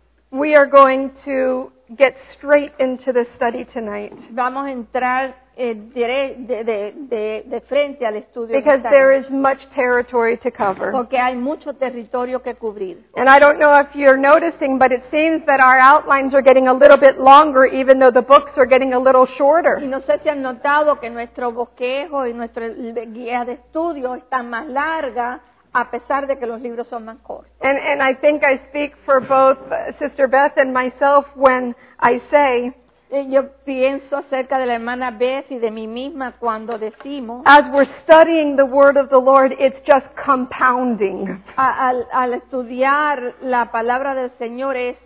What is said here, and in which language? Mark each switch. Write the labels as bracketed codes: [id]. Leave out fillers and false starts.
[en] We are going to get straight into the study tonight. [es] Vamos a entrar de frente al estudio. [en] Because there is much territory to cover. [es] Porque hay mucho territorio que cubrir. [en] And I don't know if you're noticing, but it seems that our outlines are getting a little bit longer, even though the books are getting a little shorter. [es] Y no sé si han notado que nuestro bosquejo y nuestra guía de estudio está más larga. A pesar de que los libros son más cortos. [en] And I think I speak for both Sister Beth and myself when I say, [es] yo pienso acerca de la hermana Beth y de mí misma cuando decimos, [en] as we're studying the word of the Lord, it's just compounding. [es] Al estudiar la palabra del Señor